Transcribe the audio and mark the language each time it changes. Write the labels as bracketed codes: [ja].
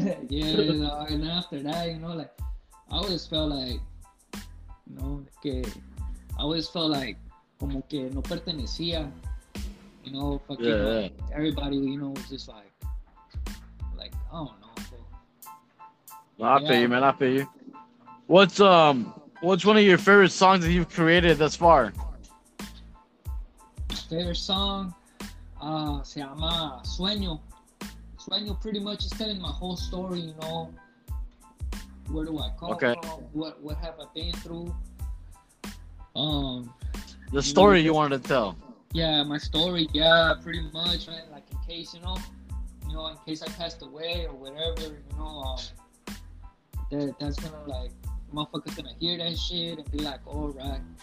[en] And after that, you know, like, I always felt like, no, que I always felt like [es] como que no pertenecía, [en] you know, fucking like, everybody, you know, was just like I don't know. So, well, I feel you, man. I feel you. What's one of your favorite songs that you've created thus far? Favorite song, [es] se llama Sueño. [en] Sueño pretty much is telling my whole story, you know. Where do I come from? What have I been through? The story you wanted to tell. Yeah, my story. Yeah, pretty much, man. Like, in case, you know, in case I passed away or whatever, you know, that's gonna, like, motherfuckers gonna hear that shit and be like, all right.